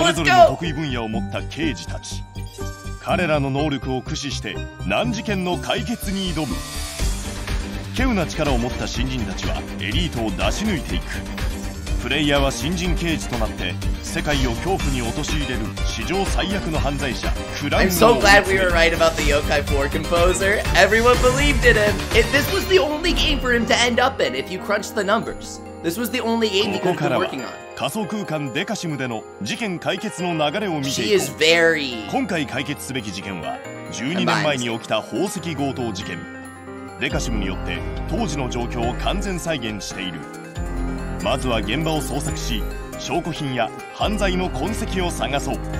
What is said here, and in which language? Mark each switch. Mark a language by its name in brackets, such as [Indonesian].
[Japanese] それぞれの得意分野を持った刑事たち、彼らの能力を駆使して難事件の解決に挑む。稀有な力を持った新人たちはエリートを出し抜いていく。プレイヤーは新人刑事となって世界を恐怖に陥れる史上最悪の犯罪者クラウンを。 [English] I'm so glad we were right about the Yo-Kai 4 composer. Everyone believed in him. If this was the only game for him to end up in, if you crunch the numbers, this was the only game he could be working on. [Japanese] ここからは仮想空間デカシムでの事件解決の流れを見ていこう。 [English] She is very... [Japanese] 今回解決すべき事件は12年前に起きた宝石強盗事件。デカシムによって当時の状況を完全再現している。まずは現場を捜索し、証拠品や犯罪の痕跡を探そう。